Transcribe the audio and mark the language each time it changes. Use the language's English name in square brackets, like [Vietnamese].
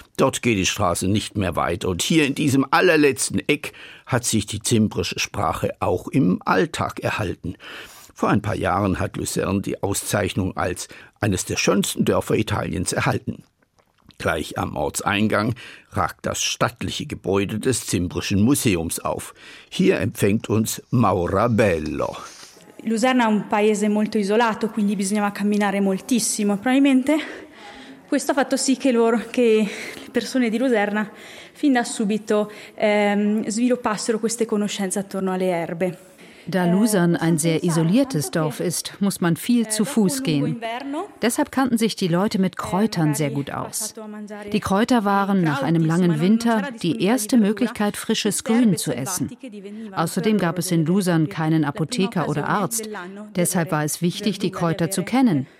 [German] Dort geht die Straße nicht mehr weit. Und hier in diesem allerletzten Eck hat sich die zimbrische Sprache auch im Alltag erhalten. Vor ein paar Jahren hat Luzern die Auszeichnung als eines der schönsten Dörfer Italiens erhalten. Gleich am Ortseingang ragt das stattliche Gebäude des Zimbrischen Museums auf. Hier empfängt uns Maura Bello. [Italian] Luzern è un paese molto isolato, quindi bisognava camminare moltissimo. Probabilmente questo ha fatto sì che le persone di Luzern fin da subito sviluppassero queste conoscenze attorno alle erbe. [German] Da Luzern ein sehr isoliertes Dorf ist, muss man viel zu Fuß gehen. Deshalb kannten sich die Leute mit Kräutern sehr gut aus. Die Kräuter waren nach einem langen Winter die erste Möglichkeit, frisches Grün zu essen. Außerdem gab es in Luzern keinen Apotheker oder Arzt. Deshalb war es wichtig, die Kräuter zu kennen.